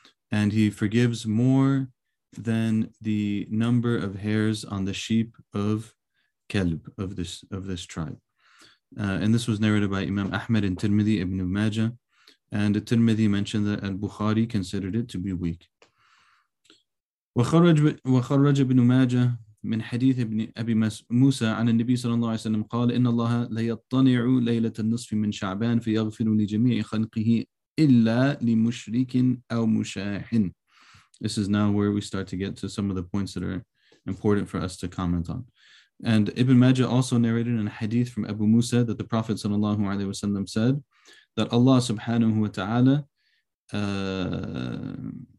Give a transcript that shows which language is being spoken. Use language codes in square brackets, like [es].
[en] And He forgives more than the number of hairs on the sheep of Kalb, of this tribe. And this was narrated by Imam Ahmad and Tirmidhi ibn Majah. And Tirmidhi mentioned that al-Bukhari considered it to be weak. [ar] وَخَرَّجَ ibn Majah من حديث ابن أبي موسى عن النبي صلى الله عليه وسلم قال إن الله ليطنع ليلة النصف من شعبان فيغفر لجميع خلقه إلا لمشرك أو مشاحن. [en] This is now where we start to get to some of the points that are important for us to comment on. And Ibn Majah also narrated in a hadith from Abu Musa that the Prophet [ar] صلى الله عليه وسلم [en] said that Allah subhanahu wa ta'ala